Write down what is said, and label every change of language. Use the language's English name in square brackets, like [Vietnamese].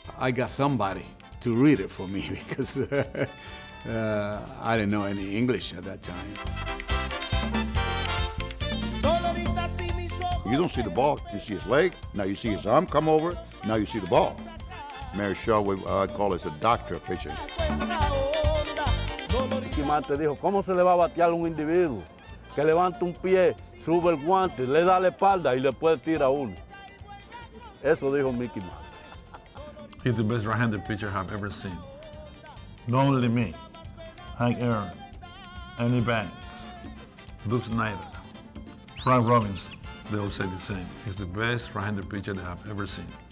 [English] I got somebody to read it for me because I didn't know any English at that time. You don't see the ball, you see his leg, now you see his arm come over, now you see the ball. Marichal, what I call is a doctor of pitching. [Spanish] Quimante dijo, ¿cómo se le va a batear un individuo que levanta un pie, sube el guante, le da la espalda y le puede tirar uno? Eso dijo Mickey Mantle. [English] He's the best right-handed pitcher I've ever seen. Not only me, Hank Aaron, Andy Banks, Duke Snyder, Frank Robinson, they all say the same. He's the best right-handed pitcher that I've ever seen.